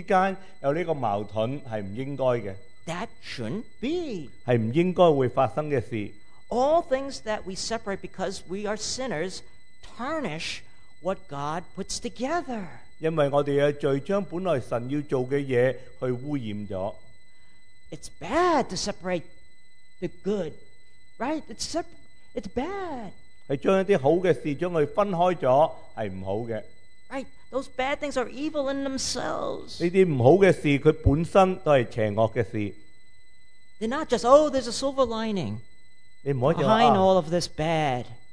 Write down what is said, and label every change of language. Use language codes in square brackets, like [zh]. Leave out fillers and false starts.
[zh] 这个不公义的事令到种族之间有这个矛盾是不应该的。 [en] That shouldn't be. [zh] 是不应该会发生的事。 [en] All things that we separate because we are sinners tarnish what God puts together. [zh] 因为我们的罪将本来神要做的事去污染了。 [en] It's bad to separate the good, right? It's bad. [zh] 是将一些好的事将它分开了，是不好的。 [en] Right? Those bad things are evil in themselves. [zh] 这些不好的事，它本身都是邪恶的事。 [en] They're not just, oh, there's a silver lining behind all of this bad.